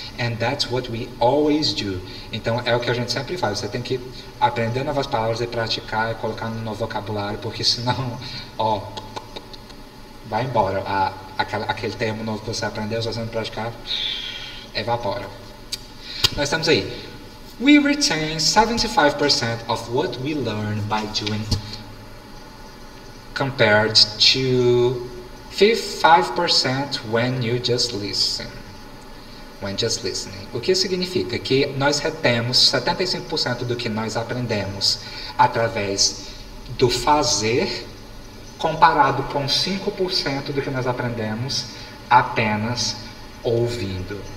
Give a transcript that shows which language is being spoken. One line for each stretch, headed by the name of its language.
English: And that's what we always do.
Portuguese: Então, é o que a gente sempre faz. Você tem que aprender novas palavras e praticar e colocar no novo vocabulário, porque senão, ó, vai embora. Aquele termo novo que você aprendeu, você não praticar, evapora. Nós estamos aí.
English: We retain 75% of what we learn by doing compared to 5% when you just listen. When just listening.
Portuguese: O que significa? Que nós retemos 75% do que nós aprendemos através do fazer, comparado com 5% do que nós aprendemos apenas ouvindo.